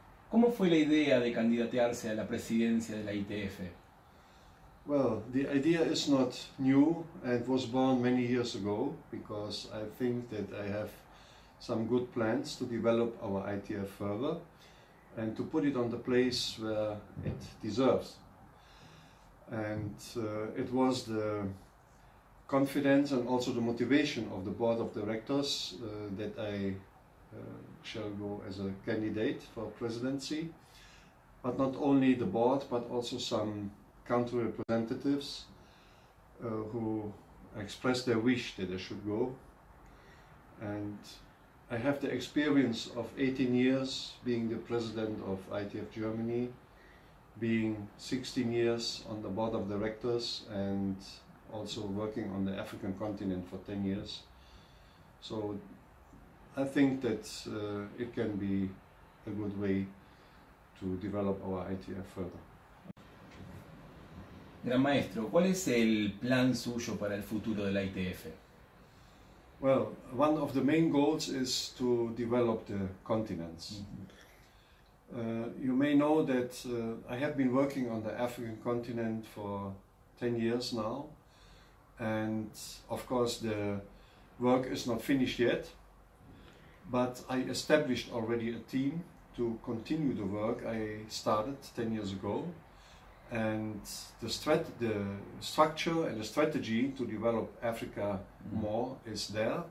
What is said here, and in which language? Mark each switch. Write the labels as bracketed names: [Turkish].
[Spanish] ¿Cómo fue la idea de candidatearse a la presidencia de la ITF? [English] Well, the idea is not new and was born many years ago because I think that I have some good plans to develop our ITF further and to put it on the place where it deserves. And it was the confidence and also the motivation of the board of directors that I shall go as a candidate for presidency, but not only the board but also some country representatives who expressed their wish that I should go. And I have the experience of 18 years being the president of ITF Germany, being 16 years on the board of directors and also working on the African continent for 10 years. So I think that it can be a good way to develop our ITF further. [Spanish] Gran Maestro, ¿cuál es el plan suyo para el futuro de la ITF? [English] Well, one of the main goals is to develop the continents. Mm-hmm. You may know that I have been working on the African continent for 10 years now. And of course the work is not finished yet, but I established already a team to continue the work I started 10 years ago, and the structure and the strategy to develop Africa more is there.